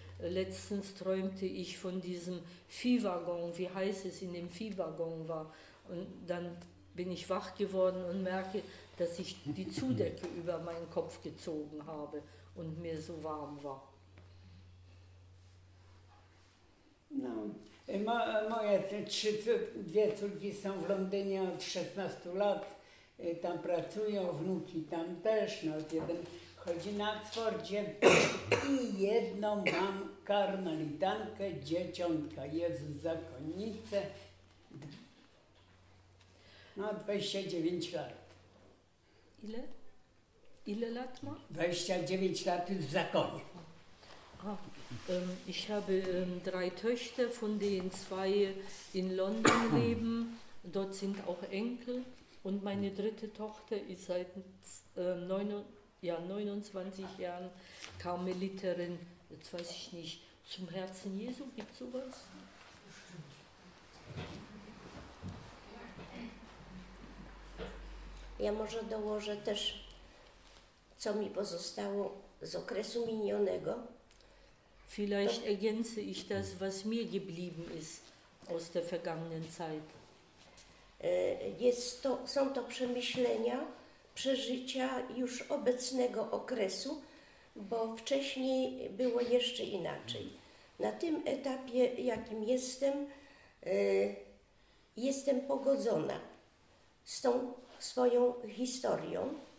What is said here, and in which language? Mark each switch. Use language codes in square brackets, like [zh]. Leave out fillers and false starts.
[de] Letztens träumte ich von diesem Viehwaggon, wie heiß es in dem Viehwaggon war. Und dann bin ich wach geworden und merke, dass ich die Zudecke über meinen Kopf gezogen habe und mir so warm war. [pl] No, moje dwie córki są w Londynie od 16 lat. Tam pracują, wnuki tam też. No, jeden chodzi na Oxfordzie i jedną mam karmelitankę, dzieciątka. Jezus, zakonnice. No, 29 lat. Ile? Ile lat ma? 29 lat w zakonie. [de] Ich habe drei Töchter, von denen zwei in London leben. Dort sind auch Enkel. Und meine dritte Tochter ist seit 29 Jahren Karmeliterin. Jetzt weiß ich nicht, zum Herzen Jesu gibt es sowas? [pl] Ja może dołożę też, co mi pozostało z okresu minionego. [de] Vielleicht ergänze ich das, was mir geblieben ist aus der vergangenen Zeit. [pl] Jest to, są to przemyślenia, przeżycia już obecnego okresu, bo wcześniej było jeszcze inaczej. Na tym etapie, jakim jestem, jestem pogodzona z tą swoją historią.